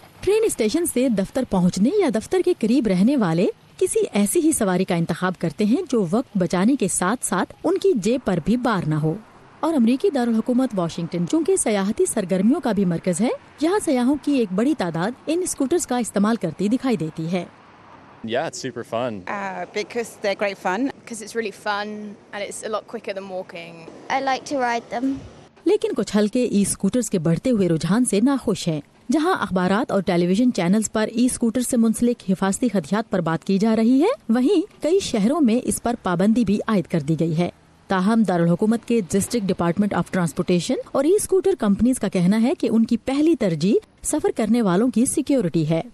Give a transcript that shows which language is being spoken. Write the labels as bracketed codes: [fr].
[ur] Train station سے دفتر پہنچنے یا دفتر کے قریب رہنے والے کسی ایسی ہی سواری کا انتخاب کرتے ہیں جو وقت بچانے کے ساتھ ساتھ ان کی جیب پر بھی بار نہ ہو۔ اور امریکی دارالحکومت واشنگٹن چونکہ سیاحتی سرگرمیوں کا بھی مرکز ہے، یہاں سیاحوں کی ایک بڑی تعداد ان اسکوٹرز کا استعمال کرتی دکھائی دیتی ہے۔ [en] Yeah, it's super fun. Because they're great fun. Because it's really fun and it's a lot quicker than walking. I like to ride them. [ur] لیکن کچھ ہلکے ای سکوٹرز کے بڑھتے ہوئے رجحان سے ناخوش ہیں۔ جہاں اخبارات اور ٹیلی ویژن چینلز پر ای سکوٹر سے منسلک حفاظتی خدشات پر بات کی جا رہی ہے، وہیں کئی شہروں میں اس پر پابندی بھی عائد کر دی گئی ہے۔ تاہم دارالحکومت کے ڈسٹرکٹ ڈپارٹمنٹ آف ٹرانسپورٹیشن اور ای سکوٹر کمپنیز کا کہنا ہے کہ ان کی پہلی ترجیح سفر کرنے والوں کی سیکیورٹی ہے۔